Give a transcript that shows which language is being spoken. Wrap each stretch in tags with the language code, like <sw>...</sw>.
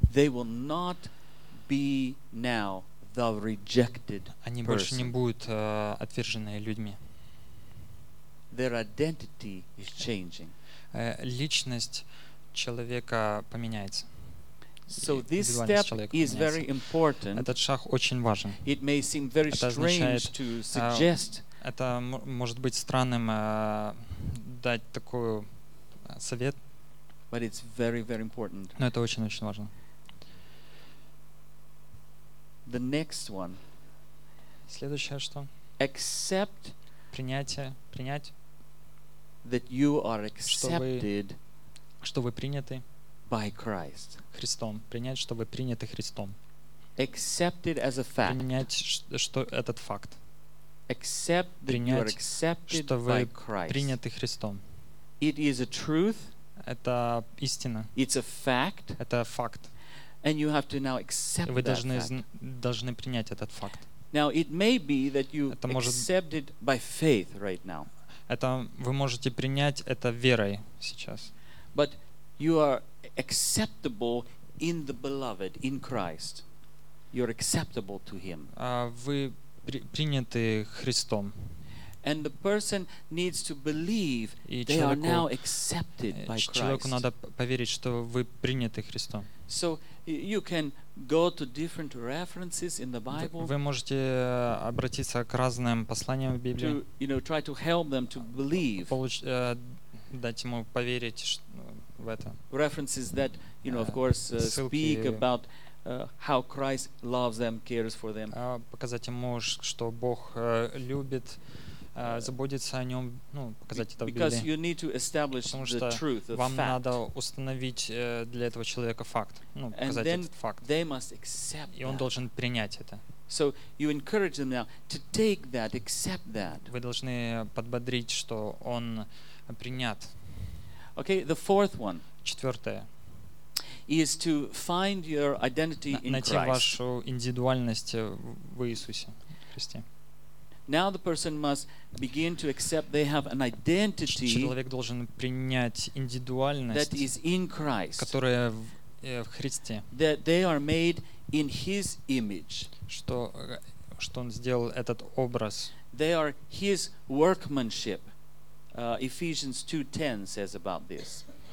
<en>they will not be now the rejected person.</en> <ru>Они больше не будут отверженные людьми.</ru> <en>Their identity is changing.</en> <ru>Личность человека поменяется.</ru> <en>So this step is very important.</en> <ru>Этот шаг очень важен.</ru> <en>It may seem very strange to suggest.</en> <ru>Это может быть странным дать такой совет.</ru> <en>But it's very, very important.</en> <ru>Но это очень-очень важно.</ru> <en>The next one.</en> <ru>Следующее что?</ru> <en>Accept.</en> <ru>Принятие. Принять.</ru> <en>That you are accepted.</en> <ru>Что вы приняты</ru> <en>by Christ.</en> <ru>Христом. Принять, что вы приняты Христом.</ru> <en>Accepted as a fact.</en> <ru>Принять, что этот факт.</ru> <en>Accept that</en> <ru>принять,</ru> <en>you are accepted</en> <ru>что вы</ru> <en>by Christ.</en> <ru>Приняты Христом.</ru> <en>It is a truth.</en> <ru>Это истина.</ru> <en>It's a fact.</en> <ru>Это факт.</ru> <en>And you have to now accept</en> <ru>вы</ru> <en>that</en> <ru>должны,</ru> <en>fact.</en> <ru>Должны принять этот факт.</ru> <en>Now it may be that you accepted by faith right now.</en> <ru>Это вы можете принять это верой сейчас.</ru> <en>But you are acceptable in the beloved, in Christ. You're acceptable to him.</en> <ru>Вы приняты Христом.</ru> <en>And the person needs to believe they are now accepted by Christ.</en> <ru>Человеку надо поверить, что вы приняты Христом.</ru> <en>So you can go to different references in the Bible.</en> <ru>Вы можете обратиться к разным посланиям в Библии.</ru> <en>You know, try to help them to believe.</en> <ru>Дать ему поверить в это.</ru> <en>References that, you know, of course, speak about how Christ loves them, cares for them.</en> <ru>Показать ему, что Бог любит, заботится о нем, ну, показать это в Библии.</ru> <en>Because you need to establish the truth,</en> <ru>вам надо установить для этого человека факт, ну, показать этот факт.</ru> <en>They must accept</en> <ru>и он должен принять это.</ru> <en>So you encourage them now to take that, accept that.</en> <ru>Вы должны подбодрить, что он принят.</ru> <en>Okay, the fourth one.</en> <ru>Четвертое.</ru> <en>Is to find your identity in Christ.</en> <ru>Найти вашу индивидуальность в Иисусе Христе.</ru> <en>Now the person must begin to accept they have an identity.</en> <ru>Человек должен принять индивидуальность,</ru> <en>that is in Christ.</en> <ru>Которая в Христе.</ru> <en>That they are made in His image.</en> <ru>Что он сделал этот образ.</ru> <en>They are His workmanship. Ephesians 2:10 says about this.</en>